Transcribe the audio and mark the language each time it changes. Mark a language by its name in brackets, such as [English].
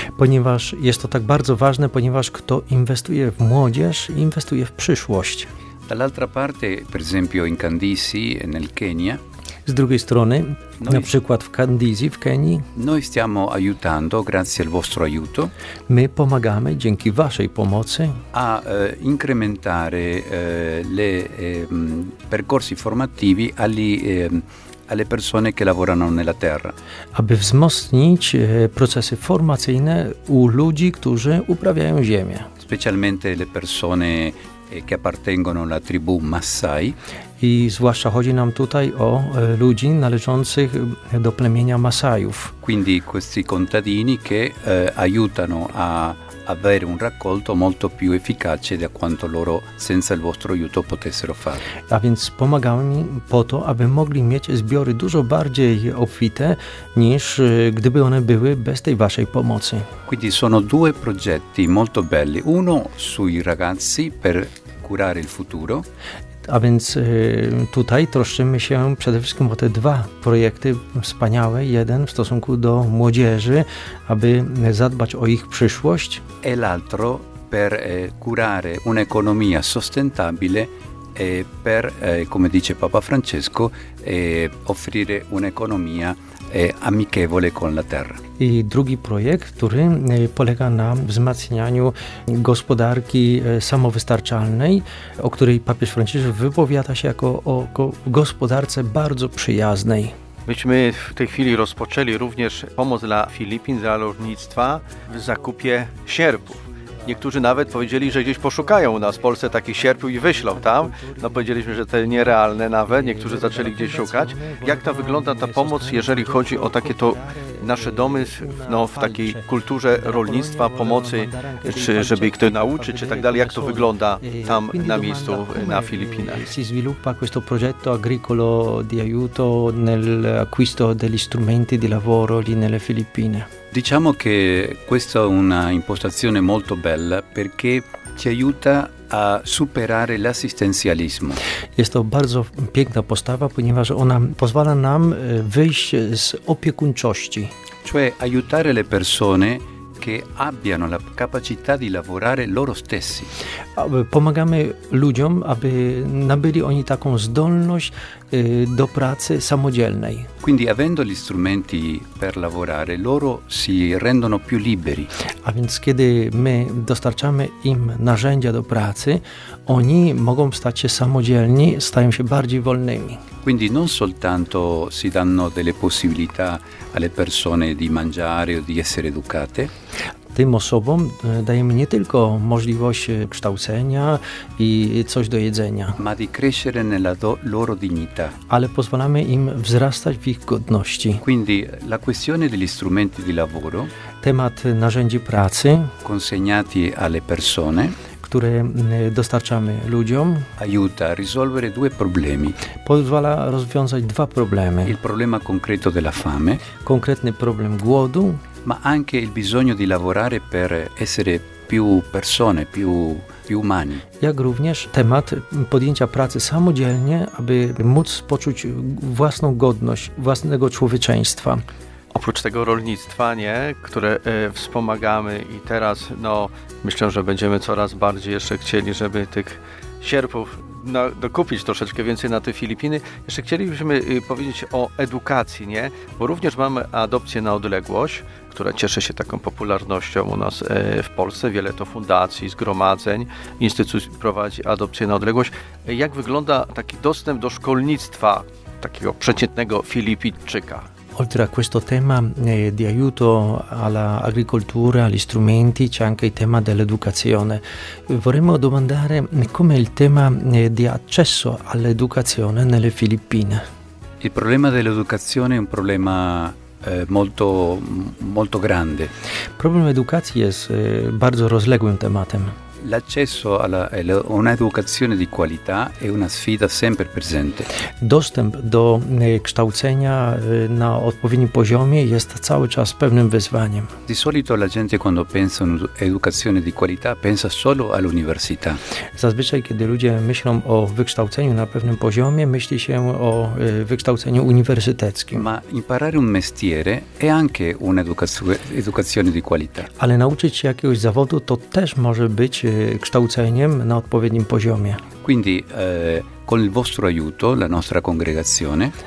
[Polish] Ponieważ jest to tak bardzo ważne, ponieważ kto inwestuje w młodzież, inwestuje w przyszłość. [Italian] Dall'altra parte, per esempio in Kandisi, nel Kenya. [Polish] Z drugiej strony, na przykład w Kandizji, w Kenii. [Italian] Noi stiamo aiutando, grazie al vostro aiuto. [Polish] My pomagamy, dzięki waszej pomocy. [Italian] A incrementare le percorsi formativi alle persone che lavorano nella terra. [Polish] Aby wzmocnić procesy formacyjne u ludzi, którzy uprawiają ziemię. [Italian] Specialmente le persone che appartengono alla tribù Massai. [Polish] I zwłaszcza chodzi nam tutaj o ludzi należących do plemienia Masajów. [Italian] Quindi questi contadini che aiutano a avere un raccolto molto più efficace da quanto loro senza il vostro aiuto potessero fare. [Polish] A więc pomagamy po to, aby mogli mieć zbiory dużo bardziej obfite niż gdyby one były bez tej waszej pomocy. [Italian] Quindi sono due progetti molto belli. Uno sui ragazzi per curare il futuro. [Polish] A więc tutaj troszczymy się przede wszystkim o te dwa projekty wspaniałe. Jeden w stosunku do młodzieży, aby zadbać o ich przyszłość. [Italian] E l'altro per curare un'economia sostenibile per, come dice Papa Francesco, offrire un'economia amichevole con la terra. [Polish] I drugi projekt, który polega na wzmacnianiu gospodarki samowystarczalnej, o której papież Franciszek wypowiada się jako o gospodarce bardzo przyjaznej. Myśmy w tej chwili rozpoczęli również pomoc dla Filipin, dla rolnictwa w zakupie sierpów. Niektórzy nawet powiedzieli, że gdzieś poszukają u nas w Polsce takich sierpów i wyślą tam. No powiedzieliśmy, że to nierealne nawet. Niektórzy zaczęli gdzieś szukać. Jak to wygląda ta pomoc, jeżeli chodzi o takie to nasze domy no, w takiej kulturze rolnictwa, pomocy, czy żeby ich to nauczyć, czy tak dalej. Jak to wygląda tam na miejscu na Filipinach? [Italian] Si sviluppa questo progetto agricolo di aiuto nell'acquisto degli strumenti di lavoro lì nelle Filippine. Diciamo che questa è una impostazione molto bella perché ci aiuta a superare l'assistenzialismo. [Polish] Jest to bardzo piękna postawa, ponieważ ona pozwala nam wyjść z opiekuńczości. [Italian] Cioè aiutare le persone che abbiano la capacità di lavorare loro stessi. [Polish] Pomagamy ludziom, aby nabyli oni taką zdolność do pracy samodzielnej. [Italian] Quindi avendo gli strumenti per lavorare, loro si rendono più liberi. [Polish] A więc kiedy my dostarczamy im narzędzia do pracy, oni mogą stać się samodzielni, stają się bardziej wolnymi. [Italian] Quindi non soltanto si danno delle possibilità alle persone di mangiare o di essere educate. [Polish] Tym osobom dajemy nie tylko możliwość kształcenia i coś do jedzenia, [Italian] ma di crescere nella loro dignità, [Polish] ale pozwalamy im wzrastać w ich godności. [Italian] Quindi la questione degli strumenti di lavoro, [Polish] temat narzędzi pracy, [Italian] consegnati alle persone, [Polish] które dostarczamy ludziom, [Italian] aiuta a risolvere due problemi, [Polish] pozwala rozwiązać dwa problemy. [Italian] Il problema concreto della fame, [Polish] konkretny problem głodu, [Italian] ma anche il bisogno di lavorare per essere più persone, più umani. [Polish] Jak również temat podjęcia pracy samodzielnie, aby móc poczuć własną godność, własnego człowieczeństwa. Oprócz tego rolnictwa, nie, które wspomagamy i teraz no, myślę, że będziemy coraz bardziej jeszcze chcieli, żeby tych sierpów no, dokupić troszeczkę więcej na te Filipiny. Jeszcze chcielibyśmy powiedzieć o edukacji, nie, bo również mamy adopcję na odległość, która cieszy się taką popularnością u nas w Polsce. Wiele to fundacji, zgromadzeń, instytucji prowadzi adopcję na odległość. Jak wygląda taki dostęp do szkolnictwa takiego przeciętnego Filipińczyka? [Italian] Oltre a questo tema di aiuto alla agricoltura, agli strumenti, c'è anche il tema dell'educazione. Vorremmo domandare come il tema di accesso all'educazione nelle Filippine. Il problema dell'educazione è un problema molto, molto grande. [Polish] Problem edukacji jest bardzo rozległym tematem. [Italian] L'accesso alla un'educazione di qualità è una sfida sempre presente. [Polish] Dostęp do kształcenia na odpowiednim poziomie jest cały czas pewnym wyzwaniem. [Italian] Di solito la gente quando pensa a un'educazione di qualità pensa solo all'università. [Polish] Zazwyczaj kiedy ludzie myślą o wykształceniu na pewnym poziomie, myśli się o wykształceniu uniwersyteckim. [Italian] Ma imparare un mestiere è anche un'educazione di qualità. [Polish] Ale nauczyć się jakiegoś zawodu to też może być kształceniem na odpowiednim poziomie. [Italian] Quindi con il vostro aiuto la nostra congregazione,